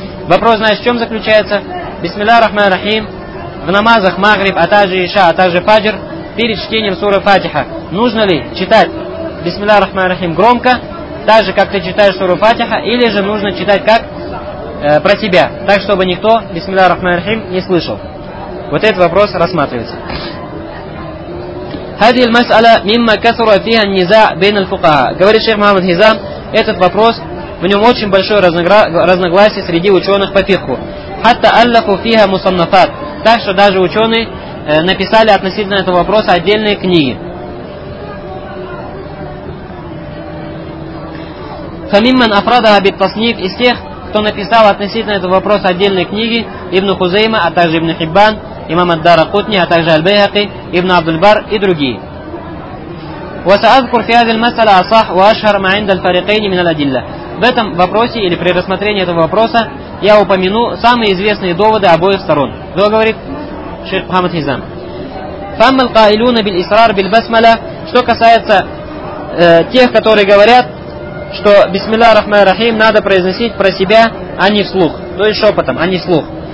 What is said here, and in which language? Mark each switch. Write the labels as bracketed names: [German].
[Russian] Вопрос, знаешь, в чем заключается? Бисмиллах рахмана рахим. В намазах Магриб, а также Иша, а также Фаджр, перед чтением суры Фатиха, нужно ли читать Бисмиллах рахмана рахим громко, так же, как ты читаешь суру Фатиха, или же нужно читать как? Про себя, так, чтобы никто Бисмиллах рахмана рахим не слышал. Вот этот вопрос рассматривается. [Arabic] هذه المسألة مما كثر فيها النزاع بين الفقهاء. [Russian] Говорит шейх Мухаммад Хизам, этот вопрос, в нем очень большое разногласие среди ученых по фикху. [Arabic] Хатта аллаху фиха мусаннафат. [Russian] Так что даже ученые написали относительно этого вопроса отдельные книги. [Arabic] Фамимман афрадаха биттасниф, [Russian] из тех, кто написал относительно этого вопроса отдельные книги, Ибн Хузейма, а также Ибн Хиббан, Имам ад-Дарикутни, а также Аль-Байхаки, Ибн Абдул-Бар и другие. [Arabic] وسأذكر في هذه المسألة أصح وأشهر ما عند الفريقين من الأدلة. [Russian] В этом вопросе или при рассмотрении этого вопроса я упомяну самые известные доводы обоих сторон. Что говорит шейх Мухаммад Хизам? [Arabic] فَمَا الْقَائِلُونَ بِالْإِصْرَارِ بِالْبَسْمَلَةِ. [Russian] Что касается тех, которые говорят, что Бисмиллах рахмана рахим надо произносить про себя, а не вслух, то есть шепотом, а не вслух.